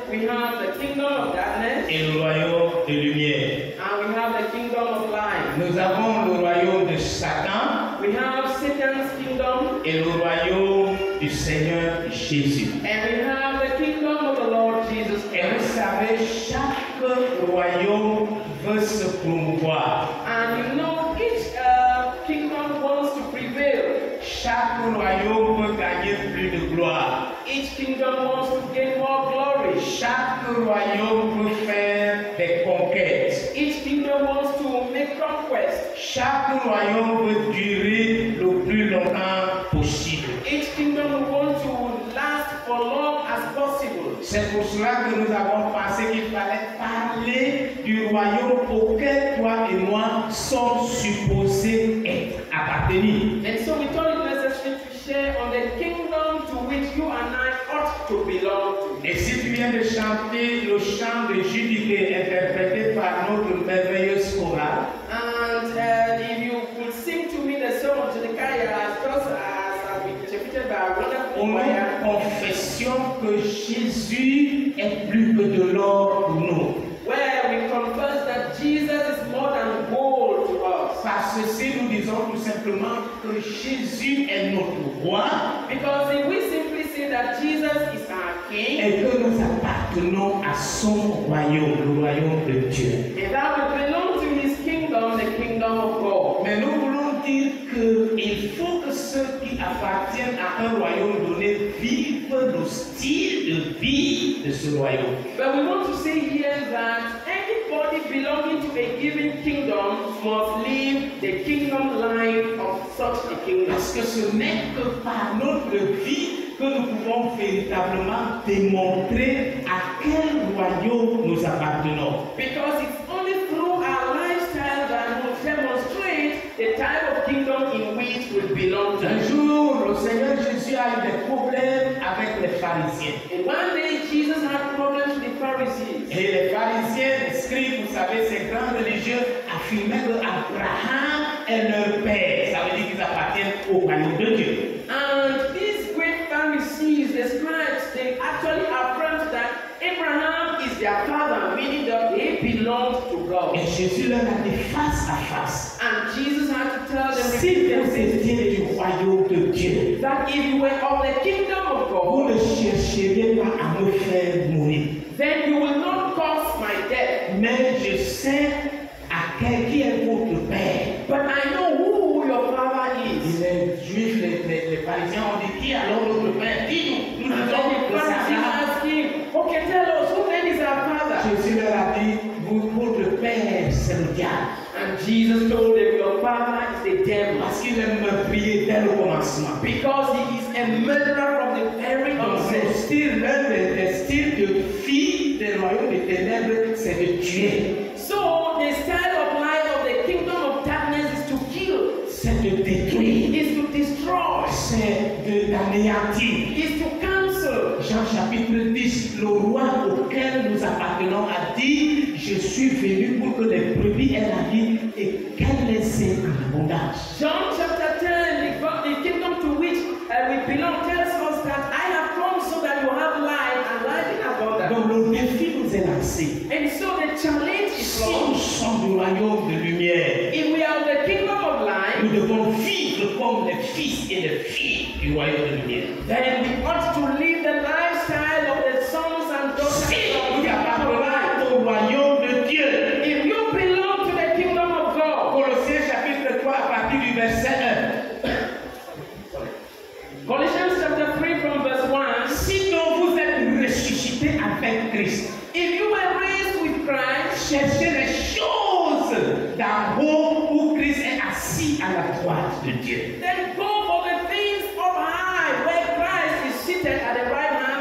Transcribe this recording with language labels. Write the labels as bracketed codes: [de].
[en] We have the kingdom of darkness. [fr] Et le royaume de lumière. [en] And we have the kingdom of light. [fr] Nous avons le royaume de Satan. [en] We have Satan's kingdom. [fr] Et le royaume du Seigneur Jésus. [en] And we have the kingdom of the Lord Jesus Christ. [fr] Et vous savez, chaque royaume veut se promouvoir. [en] And you know, each kingdom wants to prevail. [fr] Chaque royaume veut gagner plus de gloire. [en] Each kingdom wants to gain more glory. [fr] Chaque royaume veut faire des conquêtes. [en] Each kingdom wants to make conquests. [fr] Chaque royaume veut durer le plus longtemps possible. [en] Each kingdom wants to last for long as possible. [fr] C'est pour cela que nous avons pensé qu'il fallait parler du royaume auquel toi et moi sommes supposés être appartenir. [en] And so we thought it necessary to share on the kingdom to which you and I ought to belong to. [fr] Et si tu viens de chanter le chant de Judith interprété par notre merveilleuse chorale. [en] And if you could sing to me the song of Judith, just as I've been interpreted by a wonderful choir. [fr] On a confession que Jésus est plus que de l'or pour nous. [en] Where we confess that Jesus is more than gold to us. [fr] Parce que si nous disons tout simplement que Jésus est notre roi. [en] Because if we simply say that Jesus is our king. [fr] Et que nous appartenons à son royaume, le royaume de Dieu. [en] And that we belong to his kingdom, the kingdom of God. [fr] Mais nous voulons dire que il faut que ceux qui appartiennent à un royaume donné vivent le style de vie de ce royaume. [en] But we want to say here that anybody belonging to a given kingdom must live the kingdom life of such a kingdom. [fr] Parce que ce n'est que par notre vie que nous pouvons véritablement démontrer à quel royaume nous appartenons. [en] Because it's only through our lifestyle that will demonstrate the type of kingdom in which we belong to. [fr] Un jour, le Seigneur Jésus a eu des problèmes avec les pharisiens. [en] And one day Jesus had problems with the Pharisees. [fr] Et les pharisiens, les scribes, vous savez, ces grands religieux, affirmaient que Abraham est leur père. Ça veut dire qu'ils appartiennent au royaume de Dieu. [en] And these great Pharisees, the scribes, they actually affirmed that Abraham is their father, meaning that he belongs to God. [fr] Et Jésus leur a dit face à face. [en] And Jesus had to tell them, [fr] si vous étiez du royaume de Dieu, [en] that if you were of the kingdom of God, [fr] vous ne chercheriez pas à me faire mourir. [en] Then you will not cause my death. [fr] Mais je sais à quel qui est votre père. [en] But I know who your father is. [fr] Il est juif, les parisiens ont dit, qui alors notre père? Dis-nous, nous disons le Sahara. [en] Okay, tell us, who then is our father? [fr] Jésus leur a dit, votre père, c'est le diable. [en] And Jesus told them, your father is the devil. [fr] Parce qu'il est meurtrier dès le commencement. [en] Because he is a murderer from the very onset. [fr] Le style de fille des royaumes des ténèbres, c'est de tuer. [en] So, the style of life of the kingdom of darkness is to kill. [fr] C'est de détruire. [en] Is to destroy. [fr] C'est de d'anéantir. [en] Is to cancel. [fr] Jean chapitre 10, le roi auquel nous appartenons a dit, je suis venu pour que les brebis aient la vie et qu'elles aient l'abondance. Jean chapitre 10, [en] the kingdom to which we belong tells us that I have come so that you have life and life in abundance. [fr] Donc le défi nous est lancé. [en] And so the challenge is for us. [fr] Si nous sommes du royaume de lumière, [en] if we are the kingdom of light, [fr] nous devons vivre comme les fils et les filles du royaume de lumière. [en] Then we ought to live the lifestyle of the sons and daughters. [fr] Si nous appartenons au royaume de Dieu, [en] if you belong to the kingdom of God, [fr] Colossiens chapitre 3 à partir du verset 1. [en] Colossians chapter 3 from verse 1. [fr] Si donc vous êtes ressuscité avec Christ, [en] if you were raised with Christ, [fr] cherchez les choses d'en haut où Christ est assis à la droite de Dieu. [en] Then go for the things up high where Christ is seated at the right hand.